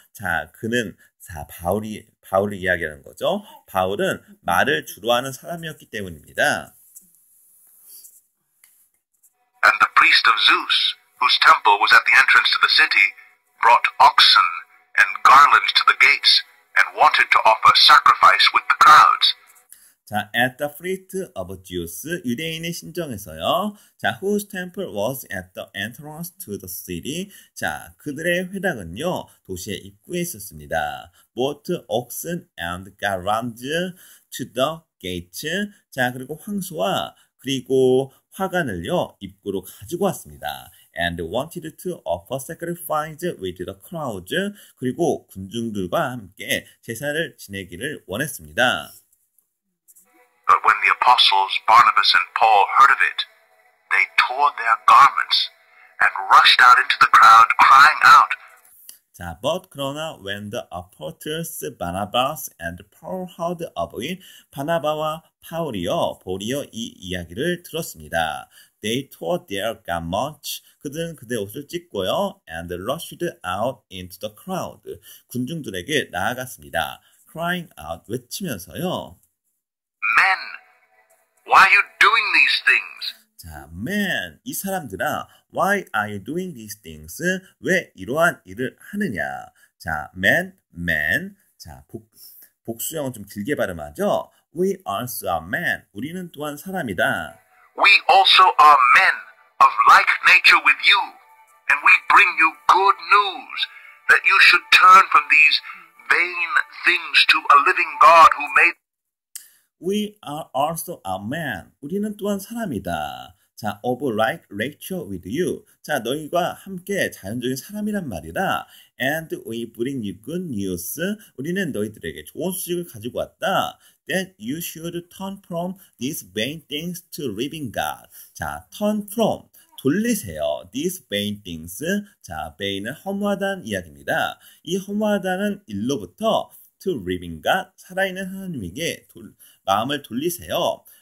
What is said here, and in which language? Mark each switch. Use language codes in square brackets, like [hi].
[ko] 자, 그는, 자, 바울이 이야기하는 거죠. 바울은 말을 주로 하는 사람이었기 때문입니다. [en] And the priest of Zeus, whose temple was at the entrance to the city, brought oxen and garlands to the gates and wanted to offer sacrifice with the crowds. 자, at the priest of Zeus, [ko] 유대인의 신정에서요. [en] 자, whose temple was at the entrance to the city. [ko] 자, 그들의 회당은요. 도시의 입구에 있었습니다. [en] brought oxen and garlands to the gates. [ko] 자, 그리고 황소와 그리고 화관을요. 입구로 가지고 왔습니다. [en] And wanted to offer sacrifice with the crowd. [ko] 그리고 군중들과 함께 제사를 지내기를 원했습니다. [en] But when the apostles Barnabas and Paul heard of it, they tore their garments and rushed out into the crowd, crying out. 자, but 그러나 when the apostles Barnabas and Paul heard of it, [ko] 바나바와 바울이요 이 이야기를 들었습니다. [en] They tore their garments. [ko] 그들은 그들의 옷을 찢고요. [en] And rushed out into the crowd. [ko] 군중들에게 나아갔습니다. [en] Crying out, [ko] 외치면서요. [en] Men, why are you doing these things? 자, men, [ko] 이 사람들아, [en] why are you doing these things? [ko] 왜 이러한 일을 하느냐? 자, men, 자, 복수형은 좀 길게 발음하죠. [en] We also are men. [ko] 우리는 또한 사람이다. [en] We also are men of like nature with you, and we bring you good news that you should turn from these vain things to a living God who made. We are also a man. [ko] 우리는 또한 사람이다. [en] 자, of like nature with you. [ko] 자, 너희와 함께 자연적인 사람이란 말이다. [en] And we bring you good news. [ko] 우리는 너희들에게 좋은 소식을 가지고 왔다. [en] That you should turn from these vain things to living God. 자, turn from. [ko] 돌리세요. [en] These vain things. [ko] 자, vain은 허무하다는 이야기입니다. 이 허무하다는 일로부터 [en] to living God, [ko] 살아있는 하나님에게 마음을 돌리세요.